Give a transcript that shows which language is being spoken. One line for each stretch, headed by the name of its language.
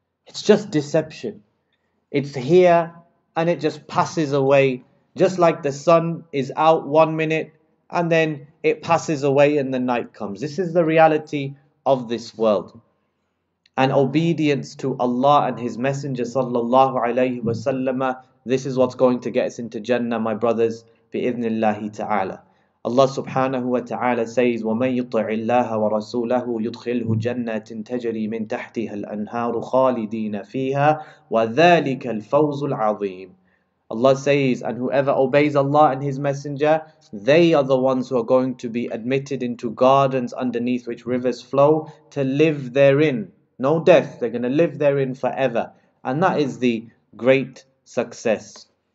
English: It's just deception. It's here and it just passes away, just like the sun is out 1 minute and then it passes away and the night comes. This is the reality of this world. And obedience to Allah and His Messenger sallallahu alayhi wa sallam, this is what's going to get us into Jannah, my brothers, bi-idhnillahi ta'ala. Allah subhanahu wa ta'ala says,
Arabic: وَمَنْ يُطِعِ اللَّهَ وَرَسُولَهُ يُدْخِلْهُ جَنَّةٍ تَجْرِي مِنْ تَحْتِهَا الْأَنْهَارُ خَالِدِينَ فِيهَا وَذَلِكَ الْفَوْزُ الْعَظِيمُ.
English: Allah says, and whoever obeys Allah and His Messenger, they are the ones who are going to be admitted into gardens underneath which rivers flow to live therein. No death, they're going to live therein forever. And that is the great success.